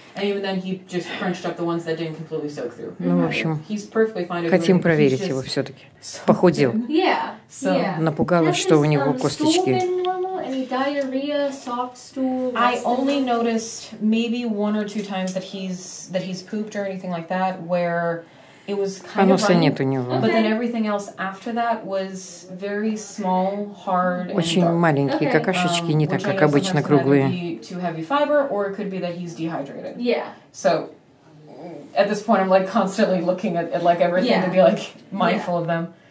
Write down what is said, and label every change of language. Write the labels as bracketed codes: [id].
[en] And even then, he just crunched up the ones that didn't completely soak through. [ru] Ну, в общем, [en] he's perfectly fine. [ru] Хотим проверить его все-таки. Похудел. Напугалось, что у него косточки. [en] I only noticed maybe one or two times that he's pooped or anything like that, where it was kind of. [ru] Поноса нет у него. [en] But then everything else after that was very small, hard. [ru] Очень маленькие какашечки, не так как обычно круглые. [en] Too heavy fiber, or it could be that he's dehydrated. Yeah. So, at this point, I'm like constantly looking at like everything to be like mindful of them.